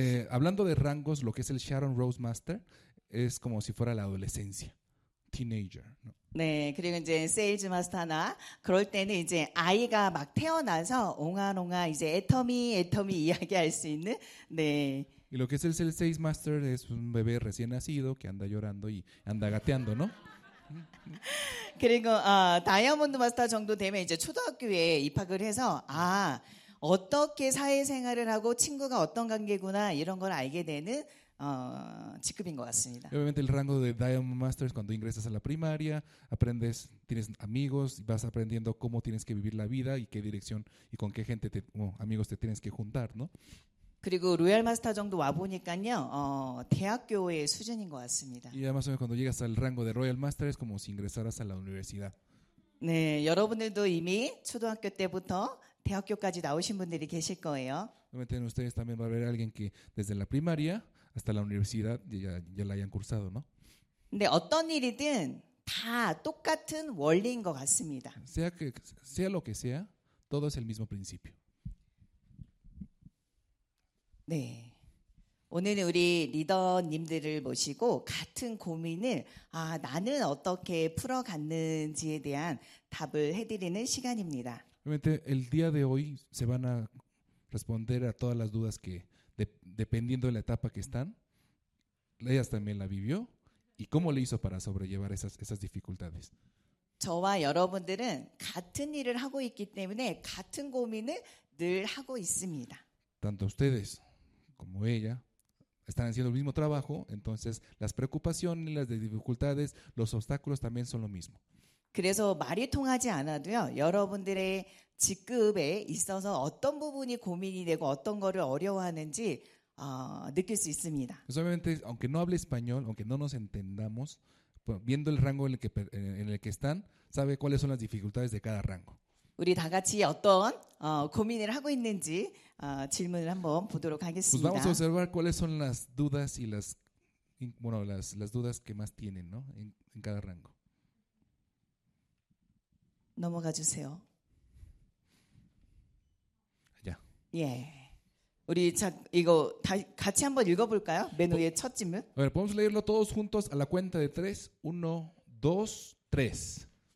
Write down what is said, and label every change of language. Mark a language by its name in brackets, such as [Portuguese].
[Spanish] Hablando de rangos, lo que es el Sharon Rose Master es como si fuera la adolescencia, teenager. No? [Korean] 네, 그리고 이제 세일즈 마스터나 그럴 때는 이제 아이가 막 태어나서 옹아롱아 이제 애터미 이야기할 수 있는 네. [Spanish] Y lo que es el Sales Master es un bebé recién nacido que anda llorando y anda gateando, ¿no? [Korean] 그리고 다이아몬드 마스터 정도 되면 이제 초등학교에 입학을 해서 아 어떻게 사회생활을 하고 친구가 어떤 관계구나 이런 걸 알게 되는 직급인 것 같습니다. [Spanish] Obviamente el rango de Diamond Master es cuando ingresas a la primaria, aprendes, tienes amigos, vas aprendiendo cómo tienes que vivir la vida y qué dirección y con qué gente te, bueno, amigos te tienes que juntar, ¿no? [Korean] 그리고 로얄 마스터 정도 와 보니까요. 대학교의 수준인 것 같습니다. [Spanish] Y además cuando llegas al rango de Royal Master es como si ingresaras a la universidad. [Korean] 네, 여러분들도 이미 초등학교 때부터 대학교까지 나오신 분들이 계실 거예요. [Spanish] Obviamente ustedes también va a haber alguien que desde la primaria hasta la universidad ya la hayan cursado, ¿no? [Korean] 네, 어떤 일이든 다 똑같은 원리인 것 같습니다. [Spanish] Sea lo que sea, todo es el mismo principio. [Korean] 네, 오늘 우리 리더님들을 모시고 같은 고민을 아 나는 어떻게 풀어갔는지에 대한 답을 해드리는 시간입니다. [Spanish] Realmente el día de hoy se van a responder a todas las dudas que dependiendo de la etapa que están, ellas también la vivió y cómo le hizo para sobrellevar esas dificultades. [Korean] 저와 여러분들은 같은 일을 하고 있기 때문에 같은 고민을 늘 하고 있습니다. [Spanish] Tanto ustedes como ella, están haciendo el mismo trabajo, entonces las preocupaciones, las dificultades, los obstáculos también son lo mismo. [Korean] 그래서 말이 통하지 않아도요, 여러분들의 직급에 있어서 어떤 부분이 고민이 되고 어떤 거를 어려워하는지 느낄 수 있습니다. [Spanish] Obviamente, aunque no hable español, aunque no nos entendamos, viendo el rango en el que están, sabe cuáles son las dificultades de cada rango. [Korean] 우리 다 같이 어떤 고민을 하고 있는지 질문을 한번 보도록 하겠습니다. [Spanish] Pues vamos a observar cuáles son las dudas y las bueno, las dudas que más tienen, ¿no? En cada rango. [Korean] 넘어가 주세요. 자. 예. 우리 자 이거 다 같이 한번 읽어 볼까요? 메뉴의 첫 질문. [Spanish] A ver, podemos leerlo todos juntos a la cuenta de 3. 1 2 3.